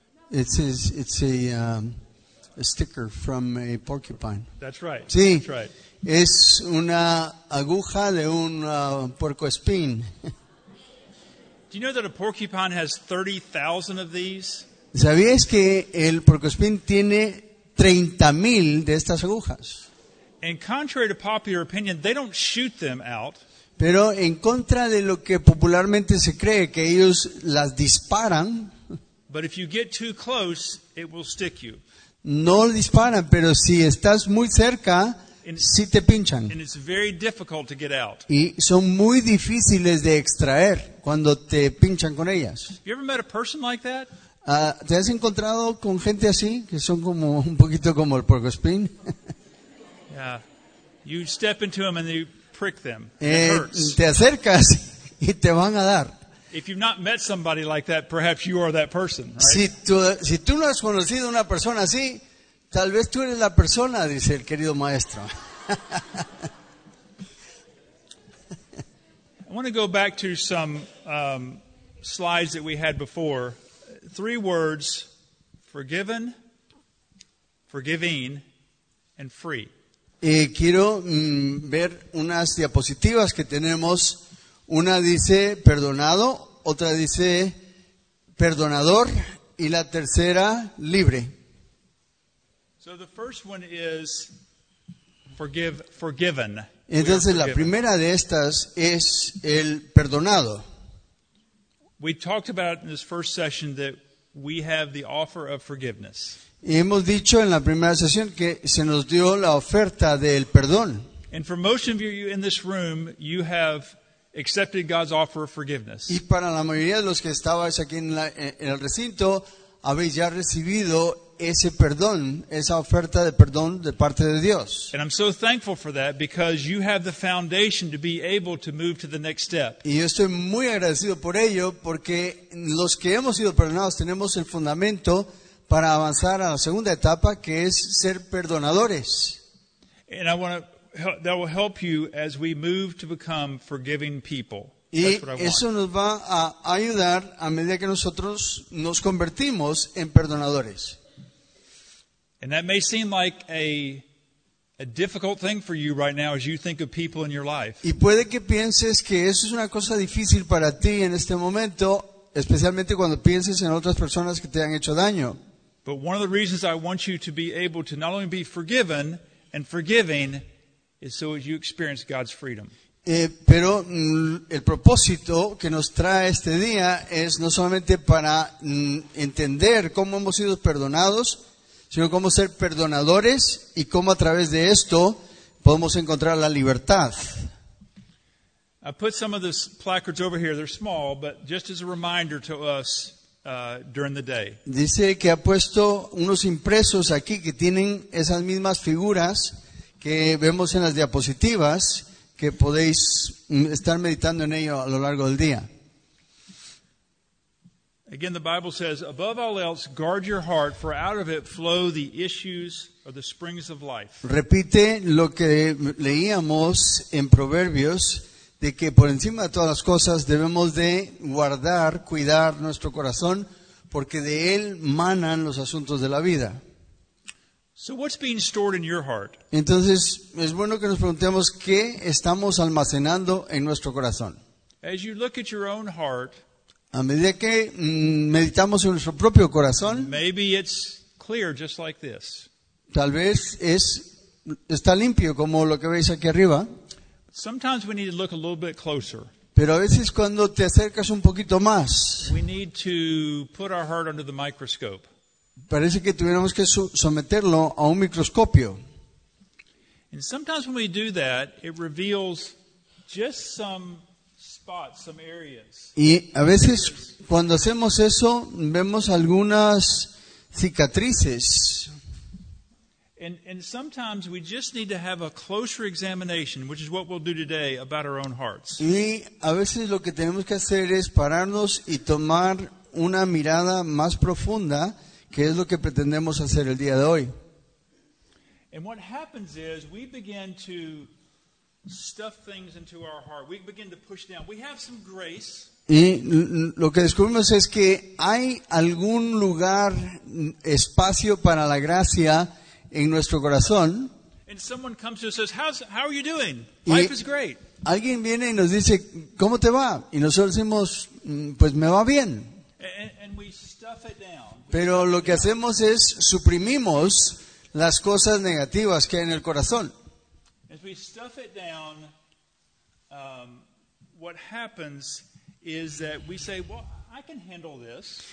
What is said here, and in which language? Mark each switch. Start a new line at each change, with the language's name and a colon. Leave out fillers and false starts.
English: It's a sticker from a porcupine. That's right.
Spanish: Sí.
English: That's right.
Spanish: Es una aguja de un puercoespín.
English: Do you know that a porcupine has 30,000 of these?
Spanish: ¿Sabías que el puercoespín tiene 30,000 de estas agujas?
English: And contrary to popular opinion, they don't shoot them out.
Spanish: Pero en contra de lo que popularmente se cree, que ellos las disparan.
English: But if you get too close, it will stick you.
Spanish: No disparan, pero si estás muy cerca, sí te pinchan.
English: And it's very difficult to get out.
Spanish: Y son muy difíciles de extraer cuando te pinchan con ellas.
English: You ever met a person like that?
Spanish: ¿Te has encontrado con gente así que son como un poquito como el puerco espín?
English: Yeah. You step into them and you prick them.
Spanish: Te acercas y te van a dar.
English: If you've not met somebody like that, perhaps you are that person, right?
Spanish: Si tú no has conocido una persona así, tal vez tú eres la persona, dice el querido maestro.
English: I want to go back to some slides that we had before. Three words: forgiven, forgiving, and free.
Spanish: Quiero ver unas diapositivas que tenemos. Una dice perdonado, otra dice perdonador y la tercera libre.
English: So the first one is forgiven.
Spanish: Entonces la primera de estas es el perdonado.
English: We talked about in this first session that we have the offer of forgiveness.
Spanish: Y hemos dicho en la primera sesión que se nos dio la oferta del perdón.
English: And for most of you in this room, you have accepted God's offer of forgiveness.
Spanish: Y para la mayoría de los que estabais aquí en el recinto, habéis ya recibido ese perdón, esa oferta de perdón de parte de Dios.
English: And I'm so thankful for that because you have the foundation to be able to move to the next step.
Spanish: Y yo estoy muy agradecido por ello porque los que hemos sido perdonados tenemos el fundamento para avanzar a la segunda etapa, que es ser perdonadores.
English: And I want to help, that will help you as we move to become forgiving people.
Spanish: Y eso nos va a ayudar a medida que nosotros nos convertimos en perdonadores.
English: And that may seem like a difficult thing for you right now as you think of people in your life.
Spanish: Y puede que pienses que eso es una cosa difícil para ti en este momento, especialmente cuando pienses en otras personas que te han hecho daño.
English: But one of the reasons I want you to be able to not only be forgiven and forgiving is so as you experience God's freedom.
Spanish: Pero el propósito que nos trae este día es no solamente para entender cómo hemos sido perdonados, sino cómo ser perdonadores y cómo a través de esto podemos encontrar la libertad.
English: I put some of these placards over here. They're small, but just as a reminder to us during the day.
Spanish: Dice que ha puesto unos impresos aquí que tienen esas mismas figuras que vemos en las diapositivas, que podéis estar meditando en ello a lo largo del día.
English: Again, the Bible says, above all else, guard your heart, for out of it flow the issues or the springs of life.
Spanish: Repite lo que leíamos en Proverbios, de que por encima de todas las cosas debemos de guardar, cuidar nuestro corazón, porque de él manan los asuntos de la vida.
English: So what's being stored in your heart?
Spanish: Entonces, es bueno que nos preguntemos qué estamos almacenando en nuestro corazón.
English: As you look at your own heart,
Spanish: a medida que meditamos en nuestro propio corazón,
English: maybe it's clear just like this.
Spanish: Tal vez está limpio como lo que veis aquí arriba.
English: Sometimes we need to look a little bit closer.
Spanish: Pero a veces cuando te acercas un poquito más,
English: we need to put our heart under the microscope.
Spanish: Parece que tuviéramos que someterlo a un microscopio.
English: And sometimes when we do that, it reveals just some spots, some areas.
Spanish: Y a veces cuando hacemos eso, vemos algunas cicatrices.
English: And sometimes we just need to have a closer examination, which is what we'll do today, about our own hearts.
Spanish: Y a veces lo que tenemos que hacer es pararnos y tomar una mirada más profunda, que es lo que pretendemos hacer el día de hoy.
English: And what happens is we begin to stuff things into our heart. We begin to push down. We have some grace.
Spanish: Y lo que descubrimos es que hay algún lugar, espacio para la gracia en nuestro corazón.
English: And someone comes to us and says, how are you doing? Life is great.
Spanish: Alguien viene y nos dice, ¿cómo te va? Y nosotros decimos, pues me va bien.
English: And we stuff it down.
Spanish: Pero lo que hacemos es suprimimos las cosas negativas que hay en el corazón.
English: As we stuff it down, what happens is that we say, well, I can handle this.